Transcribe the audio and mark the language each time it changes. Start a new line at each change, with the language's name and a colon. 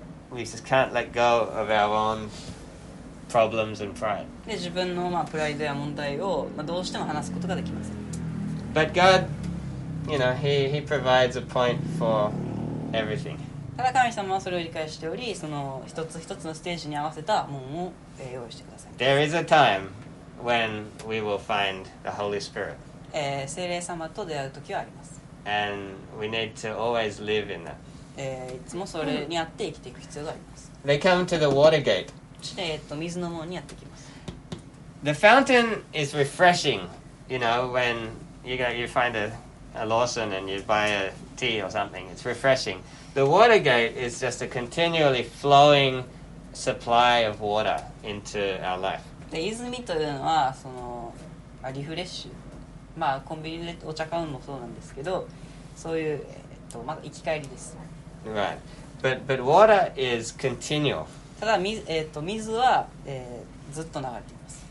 English: We just can't let go of our own problems and pride.
Japanese: で、自分の、まあ、プライドや問題を、まあ、どうしても話すことができません。
English: But God... You know, he provides a point for everything.
Japanese: ただ神様はそれを理解しており、その一つ一つのステージに合わせた門を用意してください。
English: There is a time when we will find the Holy Spirit.
Japanese: 聖霊様と出会う時はあります。
English: And we need to always live in that.
Japanese: いつもそれにあって生きていく必要があります。
English: They come to the water gate.
Japanese: 水の門にやってきます。
English: The fountain is refreshing, you know, when you find a Lawson and you buy a tea or something. It's refreshing. The water gate is just a continually flowing supply of water into our life.
Japanese: で、泉というのはそのリフレッシュ、まあコンビニでお茶買うのもそうなんですけど、そういうまあ生き返りです。
English: Right. But water is continual.
Japanese: ただ水は、ずっと流れています。